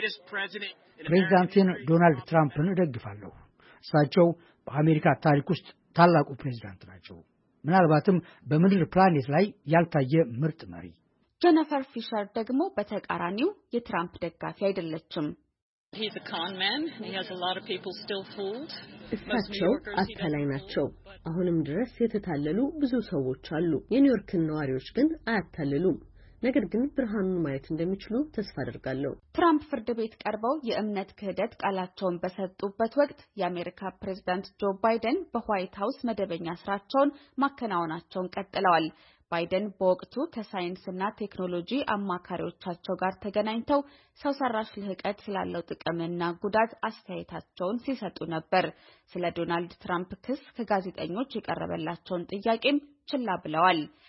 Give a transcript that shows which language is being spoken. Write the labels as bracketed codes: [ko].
[am] ፕሬዝዳንቱን ዶናልድ ትራምፕን ደግፋለሁ። እሳቸው በአሜሪካ ታሪክ ውስጥ ታላቁ ፕሬዝዳንት ናቸው። ምናልባትም በምድር ፕላኔት ላይ ያልታየ ምርጥ መሪ። ጀነፈር ፊሸር ደግሞ በተቃራኒው የትራምፕ ደጋፊ አይደለችም። [en] He's a con man and he has a lot of people still fooled. [am] እሳቸው አታላይ ናቸው። አሁንም ድረስ የተታለሉ ብዙ ሰዎች አሉ። የኒውዮርክ ነዋሪዎች ግን አያታለሉም። ነገር ግን ብርሃኑን ማየት እንደሚችሉ ተስፋ አድርጋለሁ። ትራምፕ ፍርድ ቤት ቀርበው የእምነት ክህደት ቃላቸውን በሰጡበት ወቅት የአሜሪካ ፕሬዝዳንት ጆ ባይደን በዋይት ሃውስ መደበኛ ስራቸውን ማከናወናቸውን ቀጥለዋል። ባይደን በወቅቱ ከሳይንስና ቴክኖሎጂ አማካሪዎቻቸው ጋር ተገናኝተው ሰው ሰራሽ ልህቀት ስላለው ጥቅምና ጉዳት አስተያየታቸውን ሲሰጡ ነበር። ስለ ዶናልድ ትራምፕ ክስ ከጋዜጠኞች የቀረበላቸውን ጥያቄም ችላ ብለዋል።